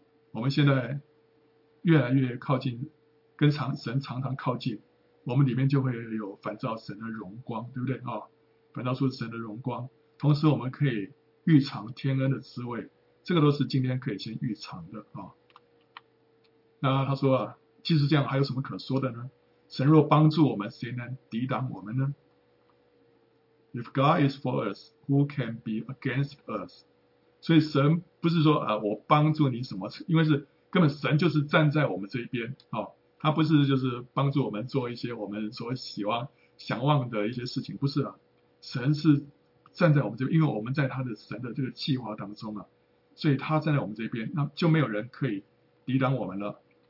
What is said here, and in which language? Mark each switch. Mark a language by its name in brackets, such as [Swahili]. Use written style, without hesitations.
[Chinese] 我们现在越来越靠近，跟神常常靠近，我们里面就会有反照神的荣光，对不对？反照出神的荣光，同时我们可以预尝天恩的滋味，这个都是今天可以先预尝的啊。那他说啊，即使这样还有什么可说的呢？神若帮助我们，谁能抵挡我们呢？ [English] If God is for us, who can be against us? [Chinese] 所以神不是说啊，我帮助你什么，因为是根本神就是站在我们这一边啊，他不是就是帮助我们做一些我们所喜欢想望的一些事情，不是啊，神是站在我们这边，因为我们在他的神的这个计划当中啊，所以他站在我们这边，那就没有人可以抵挡我们了。